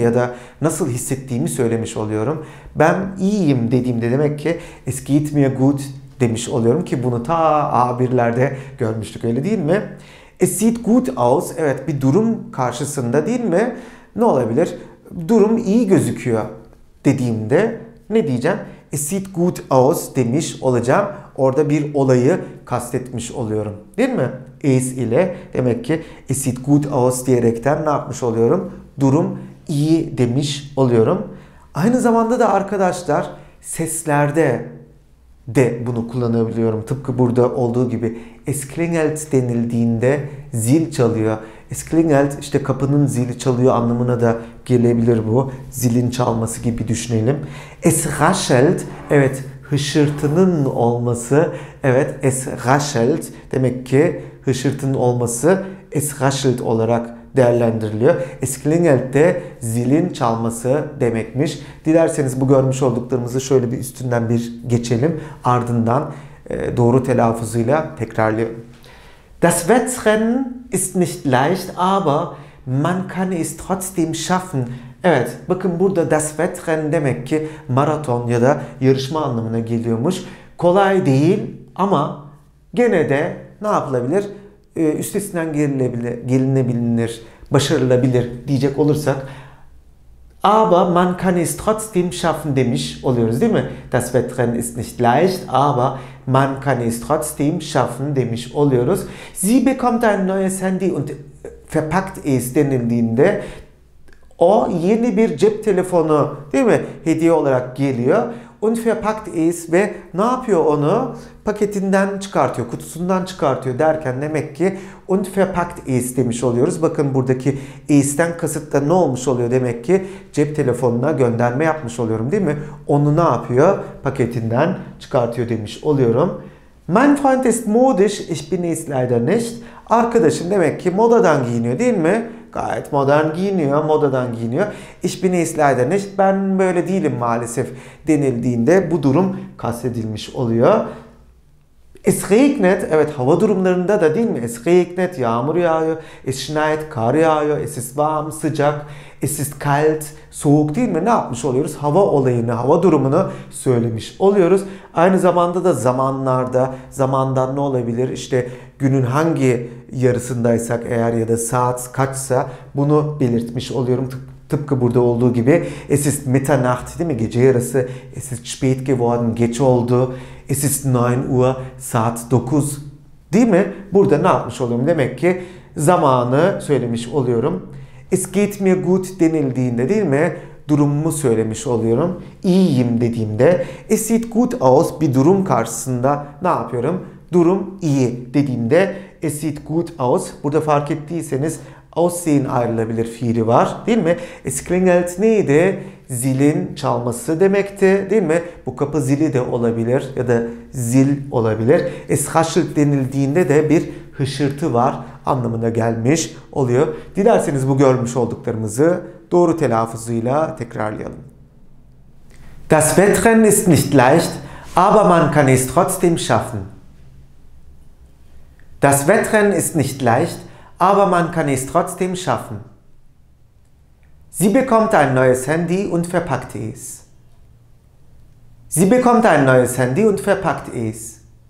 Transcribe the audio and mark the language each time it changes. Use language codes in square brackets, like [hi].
[tr] Ya da nasıl hissettiğimi söylemiş oluyorum. Ben iyiyim dediğimde demek ki [de] es geht mir gut [tr] demiş oluyorum ki bunu ta A1'lerde görmüştük öyle değil mi? [de] Es sieht gut aus. [tr] Evet, bir durum karşısında değil mi? Ne olabilir? Durum iyi gözüküyor dediğimde ne diyeceğim? [de] Es sieht gut aus [tr] demiş olacağım. Orada bir olayı kastetmiş oluyorum. Değil mi? Es ile demek ki [de] es sieht gut aus [tr] diyerekten ne yapmış oluyorum? Durum iyi demiş oluyorum. Aynı zamanda da arkadaşlar seslerde de bunu kullanabiliyorum. Tıpkı burada olduğu gibi [de] es klingelt [tr] denildiğinde zil çalıyor. [de] Es klingelt [tr] işte kapının zili çalıyor anlamına da gelebilir bu. Zilin çalması gibi düşünelim. [de] Es raschelt, [tr] evet hışırtının olması. Evet [de] es raschelt [tr] demek ki hışırtının olması es raschelt olarak değerlendiriliyor. [de] Es klingelt [tr] de zilin çalması demekmiş. Dilerseniz bu görmüş olduklarımızı şöyle bir üstünden bir geçelim. Ardından doğru telaffuzuyla tekrarlayalım. [de] Das Wettrennen ist nicht leicht, aber man kann es trotzdem schaffen. [tr] Evet, bakın burada [de] das Wettrennen [tr] demek ki maraton ya da yarışma anlamına geliyormuş. Kolay değil ama gene de ne yapılabilir? Üstesinden gelinebilir, başarılabilir diyecek olursak. [de] Aber man kann es trotzdem schaffen [tr] demiş oluyoruz değil mi? [de] Das Wettrennen ist nicht leicht, aber man kann es trotzdem schaffen [tr] demiş oluyoruz. [de] Sie bekommt ein neues Handy und verpackt es [tr] denildiğinde o yeni bir cep telefonu değil mi? Hediye olarak geliyor. [de] Und verpackt es [tr] ve ne yapıyor onu? Paketinden çıkartıyor, kutusundan çıkartıyor derken demek ki [de] und verpackt es [tr] demiş oluyoruz. Bakın buradaki es'ten kasıtta ne olmuş oluyor demek ki cep telefonuna gönderme yapmış oluyorum değil mi? Onu ne yapıyor? Paketinden çıkartıyor demiş oluyorum. [de] Mein Freund ist modisch, ich bin es leider nicht. [tr] Arkadaşım demek ki modadan giyiniyor değil mi? Gayet modern giyiniyor, modadan giyiniyor. [de] Ich bin es leider nicht. [tr] Ben böyle değilim maalesef denildiğinde bu durum kastedilmiş oluyor. [de] Es regnet, [tr] evet, hava durumlarında da değil mi? Es regnet, yağmur yağıyor. [de] Es schneit, [tr] kar yağıyor. [de] Es ist warm, [tr] sıcak. [de] Es ist kalt, [tr] soğuk değil mi? Ne yapmış oluyoruz? Hava olayını, hava durumunu söylemiş oluyoruz. Aynı zamanda da zamanlarda, zamandan ne olabilir? İşte günün hangi yarısındaysak eğer ya da saat kaçsa bunu belirtmiş oluyorum. Tıpkı burada olduğu gibi. [de] Es ist Mitternacht, [tr] değil mi? Gece yarısı. [de] Es ist spät geworden, [tr] geç oldu. [de] Es ist 9 Uhr, [tr] saat 9. Değil mi? Burada ne yapmış oluyorum? Demek ki zamanı söylemiş oluyorum. [de] Es geht mir gut [tr] denildiğinde, değil mi? Durumumu söylemiş oluyorum. İyiyim dediğimde. [de] Es sieht gut aus, [tr] bir durum karşısında ne yapıyorum? Durum iyi dediğimde. [de] Es sieht gut aus. [tr] Burada fark ettiyseniz aussehen ayrılabilir fiili var, değil mi? [de] Es klingelt [tr] neydi? Zilin çalması demekti, değil mi? Bu kapı zili de olabilir ya da zil olabilir. [de] Es haschelt [tr] denildiğinde de bir hışırtı var anlamına gelmiş oluyor. Dilerseniz bu görmüş olduklarımızı doğru telaffuzuyla tekrarlayalım. [de] Das Wettrennen ist nicht leicht, aber man kann es trotzdem schaffen. Das Wettrennen ist nicht leicht, aber man kann es trotzdem schaffen. Sie bekommt ein neues Handy und verpackt es. Sie bekommt ein neues Handy und verpackt es.